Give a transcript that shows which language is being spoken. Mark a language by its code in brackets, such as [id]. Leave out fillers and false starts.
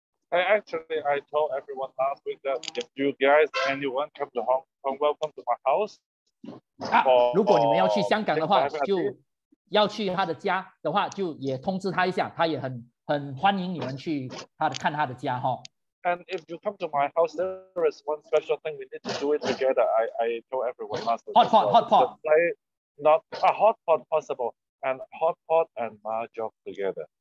[en] Hey, actually, I told everyone last week that if you guys, anyone come to Hong Kong, welcome to my house. If you want to go to Hong Kong, then... [zh] 要去他的家的话，就也通知他一下，他也很欢迎你们去看他的家哈。 [en] And if you come to my house, there is one special thing we need to do it together. I told everyone last week. Hot pot. Not a hot pot possible, and hot pot and mahjong together.